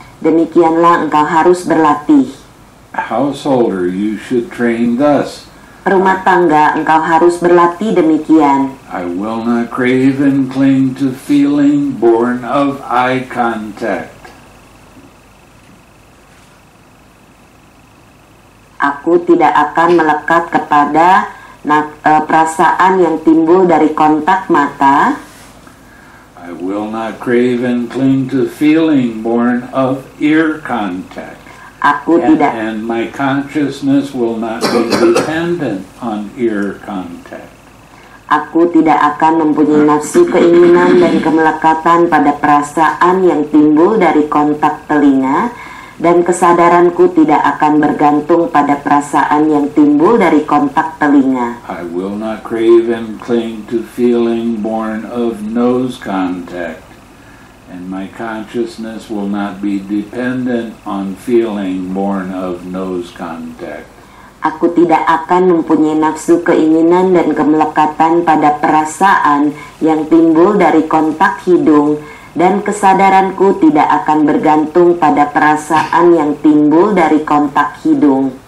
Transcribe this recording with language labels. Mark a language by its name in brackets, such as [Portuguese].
[Indonesian] Demikianlah engkau harus berlatih. [English] Householder, you should train thus. [Indonesian] Rumah tangga, engkau harus berlatih demikian. [English] I will not crave and cling to feeling born of eye contact. [Indonesian] Aku tidak akan melekat kepada perasaan yang timbul dari kontak mata. [English] I will not crave and cling to feeling born of ear contact. [Indonesian] Aku tidak. [English] And my consciousness will not be dependent on ear contact. [Indonesian] Aku tidak akan mempunyai nafsu keinginan dan kemelekatan pada perasaan yang timbul dari kontak telinga, dan kesadaranku tidak akan bergantung pada perasaan yang timbul dari kontak telinga. [English] I will not crave and cling to feeling born of nose contact, and my consciousness will not be dependent on feeling born of nose contact. [Indonesian] Aku tidak akan mempunyai nafsu keinginan dan kemelekatan pada perasaan yang timbul dari kontak hidung, dan kesadaranku tidak akan bergantung pada perasaan yang timbul dari kontak hidung.